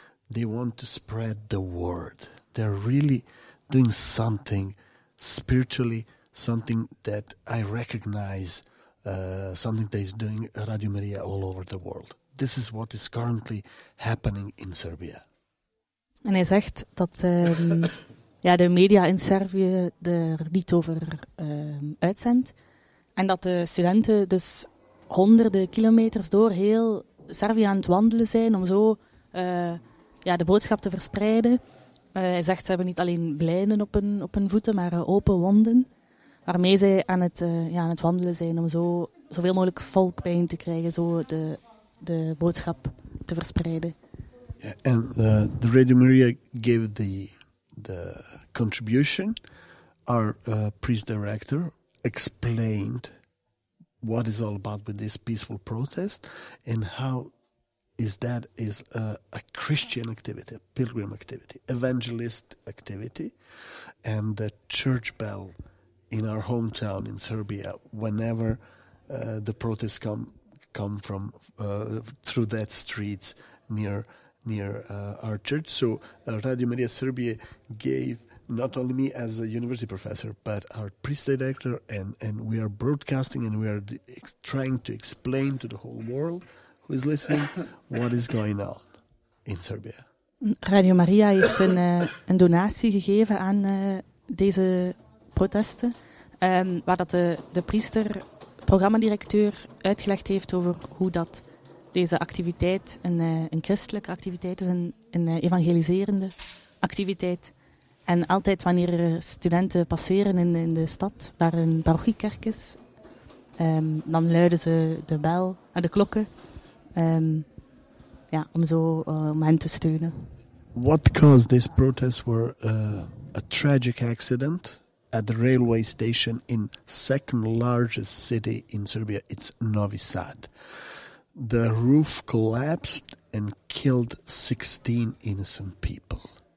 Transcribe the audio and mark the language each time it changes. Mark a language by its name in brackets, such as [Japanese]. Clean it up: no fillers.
[English] They want to spread the word. They're really doing something spiritually, something that I recognize, something that is doing Radio Maria all over the world. This is what is currently happening in Serbia. [Dutch] En hij zegt dat de media in Servië er niet over uitzendt. En dat de studenten dus... honderden kilometers door heel Servië aan het wandelen zijn om zo de boodschap te verspreiden. Hij zegt, ze hebben niet alleen blijnen op hun voeten, maar open wonden, waarmee zij aan het wandelen zijn om zoveel mogelijk volk bijeen te krijgen, zo de boodschap te verspreiden. [English] Yeah, and the Radio Maria gave the contribution. Our priest director explained what is all about with this peaceful protest and how is that is a Christian activity, a pilgrim activity, evangelist activity. And the church bell in our hometown in Serbia, whenever the protests come from through that streets near our church. So Radio Maria Serbia gave not only me as a university professor, but our priest director, and we are broadcasting and we are trying to explain to the whole world who is listening what is going on in Serbia. [Dutch] Radio Maria heeft een donatie gegeven aan deze protesten, waar dat de priester, programmadirecteur, uitgelegd heeft over hoe dat deze activiteit een christelijke activiteit is, een evangeliserende activiteit. En altijd wanneer studenten passeren in de stad waar een parochiekerk is, dan luiden ze de bel en de klokken om zo om hen te steunen. [English] What caused this protest were a tragic accident at the railway station in second largest city in Serbia, it's Novi Sad. The roof collapsed and killed 16 innocent people.